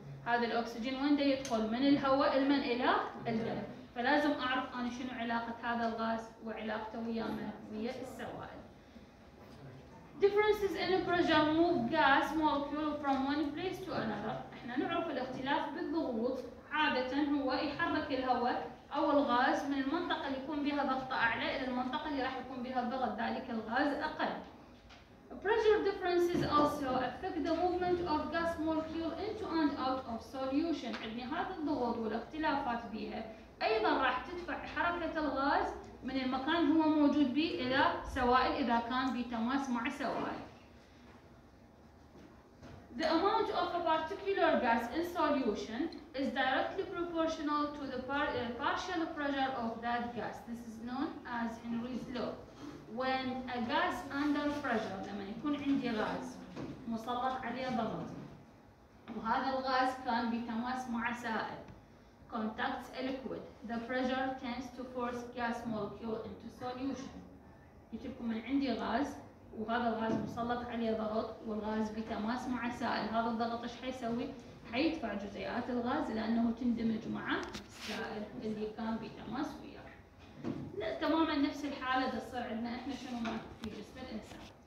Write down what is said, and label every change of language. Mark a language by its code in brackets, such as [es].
[ar] هذا الأكسجين وين ده يدخل؟ من الهواء لمن إلى الدم. فلازم أعرف أنا شنو علاقة هذا الغاز وعلاقته ويانا ويا السوائل. [en] Differences in pressure move gas molecule from one place to another. [ar] احنا نعرف الاختلاف بالضغوط عادة هو يحرك الهواء أو الغاز من المنطقة اللي يكون بها ضغط أعلى إلى المنطقة اللي راح يكون بها الضغط ذلك الغاز أقل. [en] Pressure differences also affect the movement of gas molecule into and out of solution. [ar] يعني هذه الضغوط والاختلافات بها أيضا راح تدفع حركة الغاز من المكان هو موجود به إلى سوائل إذا كان بتماس مع سوائل. [en] The amount of a particular gas in solution is directly proportional to the partial pressure of that gas. This is known as Henry's law. When a gas under pressure, [ar] لما يكون عندي غاز مسلط عليه ضغط وهذا الغاز كان بتماس مع سائل [en] contacts a liquid, the pressure tends to force gas molecule into solution. [ar] يجيبكم من عندي غاز وهذا الغاز مسلط عليه ضغط والغاز بتماس مع سائل، هذا الضغط ايش حيسوي؟ حيدفع جزيئات الغاز لانه تندمج مع السائل اللي كان بتماس وياه. تماما نفس الحاله تصير عندنا احنا شنو في جسم الانسان.